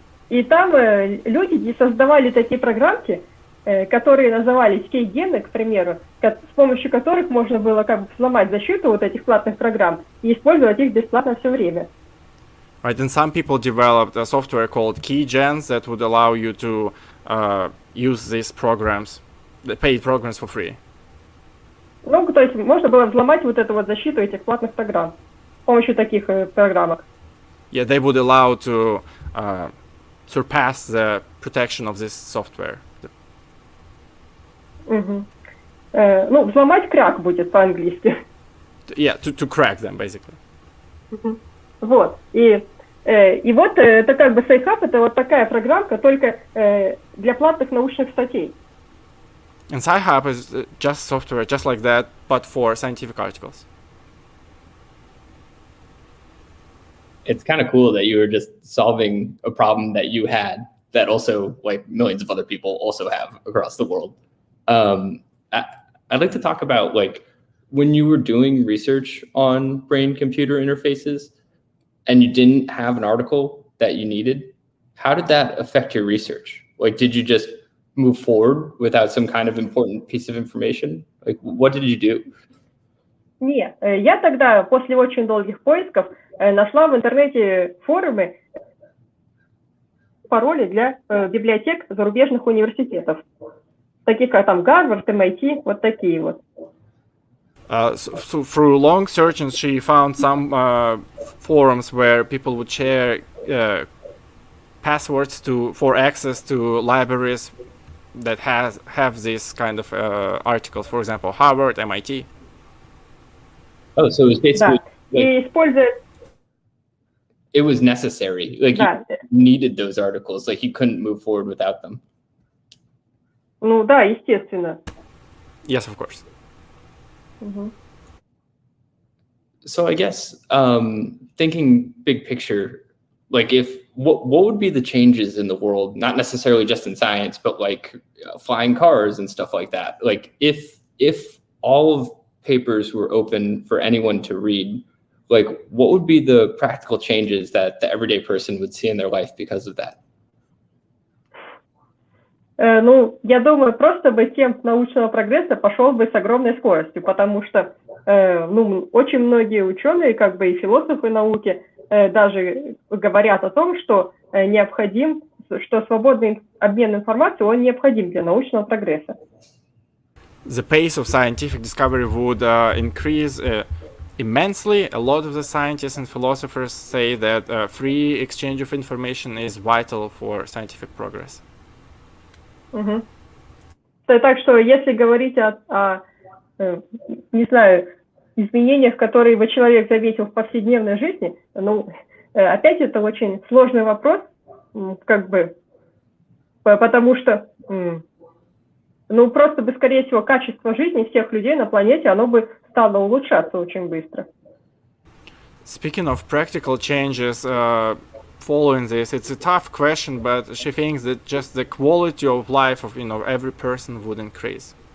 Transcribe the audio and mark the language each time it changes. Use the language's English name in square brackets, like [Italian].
[Russian] И там люди создавали такие программки, которые назывались кейгены, к примеру, с помощью которых можно было как бы взломать защиту вот этих платных программ и использовать их бесплатно все время. [English] Right, and some people developed a software called keygens that would allow you to use these programs, the paid programs for free. [Russian] Ну, то есть можно было взломать вот эту вот защиту этих платных программ с помощью таких программок. [English] Yeah, they would allow to surpass the protection of this software. [Russian] Ну, взломать крак будет по-английски. [English] Yeah, to crack them, basically. [Russian] Вот, и вот это как бы Sci-Hub, это вот такая программка только для платных научных статей. [English] And Sci-Hub is just software, just like that, but for scientific articles. It's kind of cool that you were just solving a problem that you had that also, like, millions of other people also have across the world. I'd like to talk about, like, when you were doing research on brain-computer interfaces and you didn't have an article that you needed, how did that affect your research? Like, did you just move forward without some kind of important piece of information? Like, what did you do? [Russian] Нет, я тогда, после очень долгих поисков, нашла в интернете форумы пароли для библиотек зарубежных университетов, таких как там Гарвард, MIT, вот такие вот. [English] So through long searches, she found some forums where people would share passwords for access to libraries that have these kind of articles, for example, Harvard, MIT. Oh, so it's basically... [Russian] Да, [English] like... [Russian] и используя... [English] it was necessary. Like, you needed those articles. Like, you couldn't move forward without them. [Russian] Ну да, естественно. [English] Yes, of course. So I guess thinking big picture, like, if what would be the changes in the world, not necessarily just in science, but like flying cars and stuff like that. Like, if all of papers were open for anyone to read, like, what would be the practical changes that the everyday person would see in their life because of that? [Russian] Ну, я думаю, просто бы темп научного прогресса пошел бы с огромной скоростью, потому что, ну, очень многие ученые, как бы и философы науки, даже говорят о том, что необходим, что свободный обмен информацией, он необходим для научного прогресса. [English] The pace of scientific discovery would increase immensely. A lot of the scientists and philosophers say that free exchange of information is vital for scientific progress. [Russian] Угу. Так что, если говорить о, не знаю, изменениях, которые бы человек заметил в повседневной жизни, ну, опять это очень сложный вопрос, как бы, потому что, ну, просто бы, скорее всего, качество жизни всех людей на планете, оно бы стало улучшаться очень быстро. [English] Speaking of practical changes, following this, it's a tough question, but she thinks that just the quality of life of, you know, every person would increase.